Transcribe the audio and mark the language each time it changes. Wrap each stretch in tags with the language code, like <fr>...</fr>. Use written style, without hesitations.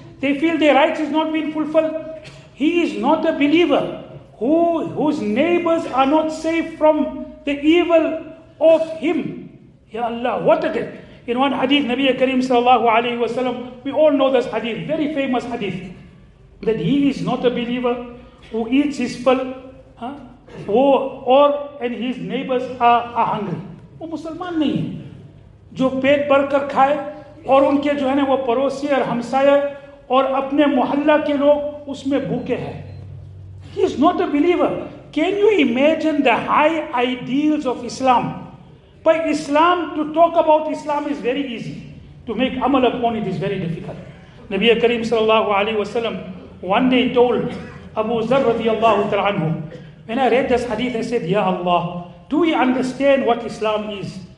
<en>They feel their rights is not being fulfilled. He is not a believer whose neighbors are not safe from the evil of him. Ya Allah, what a day. In one hadith, Nabi Karim</en> <ar>sallallahu alayhi wa sallam,</ar> <en>we all know this hadith, very famous hadith. that he is not a believer who eats his fill, or and his neighbors are hungry.</en> <hi>वो मुसलमान नहीं है जो पेट भर कर खाए और उनके जो है ना वो पड़ोसी और हमसाया और अपने मोहल्ला के लोग उसमें भूखे हैं.</hi> <en>He is not a believer. Can you imagine the high ideals of Islam? By Islam, to talk about Islam is very easy. To make amal upon it is very difficult. Nabiya Kareem</en> <ar>sallallahu alayhi wa sallam</ar> <en>one day told Abu Zar</en> <ar>radiallahu ta'ala anhu,</ar> <en>when I read this hadith, I said, Ya Allah, do we understand what Islam is?</en>